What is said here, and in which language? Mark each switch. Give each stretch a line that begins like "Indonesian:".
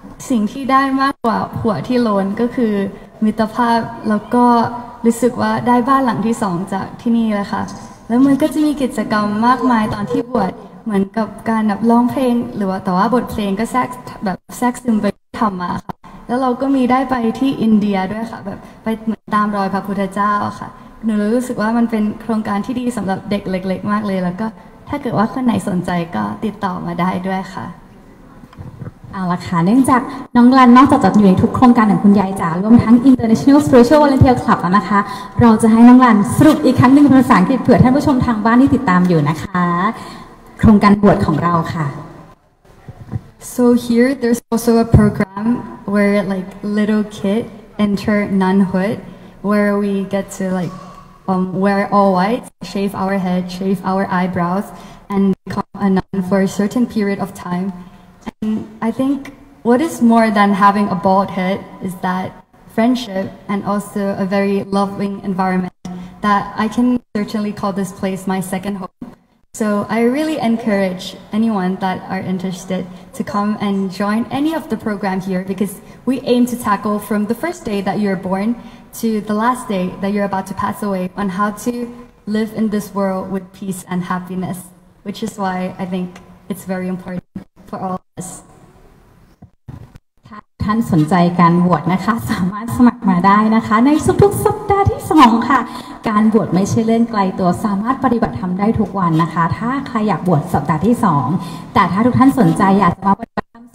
Thai: สิ่งที่ได้มากกว่าหัวที่โลนก็คือมิตรภาพแล้วก็รู้สึกว่าได้บ้านหลังที่สองจากที่นี่เลยค่ะแล้วมันก็จะมีกิจกรรมมากมายตอนที่บวชเหมือนกับการแบบร้องเพลงหรือว่าแต่ว่าบทเพลงก็แทรกแบบแทรกซึมไปทำมาค่ะแล้วเราก็มีได้ไปที่อินเดียด้วยค่ะแบบไปตามรอยพระพุทธเจ้าค่ะหนูรู้สึกว่ามันเป็นโครงการที่ดีสำหรับเด็กเล็กๆมากเลยแล้วก็ถ้าเกิดว่าคนไหนสนใจก็ติดต่อมาได้ด้วยค่ะ เอาละค่ะเนื่องจากน้องรันนอกจากจะอยู่ในทุกโครงการของคุณยายจ๋ารวมทั้ง International Spiritual Volunteer Club แล้วนะคะเราจะให้น้องรันสรุปอีกครั้งหนึ่งเป็นภาษาอังกฤษเผื่อท่านผู้ชมทางบ้านที่ติดตามอยู่นะคะโครงการบวชของเราค่ะ
English: So here there's also a program where like little kid enter nunhood where we get to likeWear all white, shave our head, shave our eyebrows, and become a nun for a certain period of time. And I think what is more than having a bald head is that friendship and also a very loving environment that I can certainly call this place my second home. So I really encourage anyone that are interested to come and join any of the program here, because we aim to tackle from the first day that you're born to the last day that you're about to pass away on how to live in this world with peace and happiness, which is why I think it's very important for all of us.
Thai: ท่านสนใจการบวชนะคะสามารถสมัครมาได้นะคะในทุกๆสัปดาห์ที่2ค่ะการบวชไม่ใช่เรื่องไกลตัวสามารถปฏิบัติทำได้ทุกวันนะคะถ้าใครอยากบวชสัปดาห์ที่2แต่ถ้าทุกท่านสนใจอยากจะมาปฏิบัติ